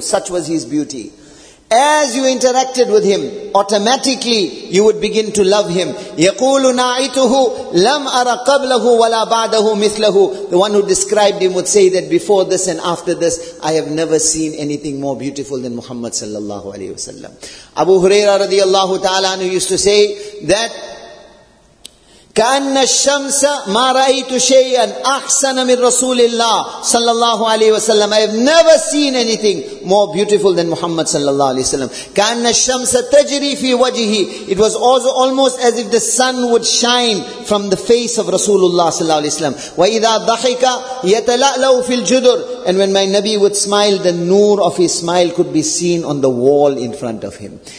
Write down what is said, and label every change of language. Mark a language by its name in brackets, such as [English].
[English] Such was his beauty. As you interacted with him, automatically you would begin to love him. [Arabic] يَقُولُ نَعِتُهُ لَمْ أَرَ قَبْلَهُ وَلَا بَعْدَهُ مِثْلَهُ. [English] The one who described him would say that before this and after this, I have never seen anything more beautiful than Muhammad sallallahu alayhi wa sallam. Abu Huraira radiallahu ta'ala anhu used to say that, [Arabic] كَأَنَّ الشَّمْسَ مَا رَأَيْتُ شَيْئًا أَحْسَنَ مِنْ رَسُولِ اللَّهِ صلى الله عليه وسلم. [English] I have never seen anything more beautiful than Muhammad صلى الله عليه وسلم. [Arabic] كَأَنَّ الشَّمْسَ تَجْرِي فِي وَجِهِ. [English] It was also almost as if the sun would shine from the face of Rasulullah صلى الله عليه وسلم. [Arabic] وَإِذَا ضَحِكَ يَتَلَأْلَوْ فِي الْجُدُرِ. [English] And when my Nabi would smile, the noor of his smile could be seen on the wall in front of him.